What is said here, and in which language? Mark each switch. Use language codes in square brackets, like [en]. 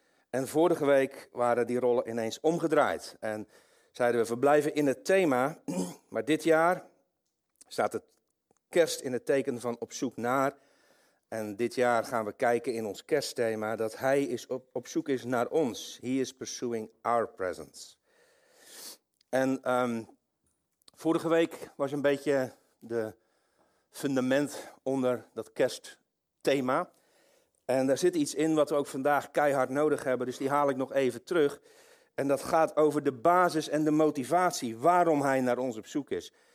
[nl] En vorige week waren die rollen ineens omgedraaid. En zeiden we verblijven in het thema, maar dit jaar staat het kerst in het teken van op zoek naar. En dit jaar gaan we kijken in ons kerstthema dat hij is op zoek is naar ons. [en] He is pursuing our presence. [nl] En vorige week was een beetje de fundament onder dat kerstthema. En daar zit iets in wat we ook vandaag keihard nodig hebben. Dus die haal ik nog even terug. En dat gaat over de basis en de motivatie waarom hij naar ons op zoek is.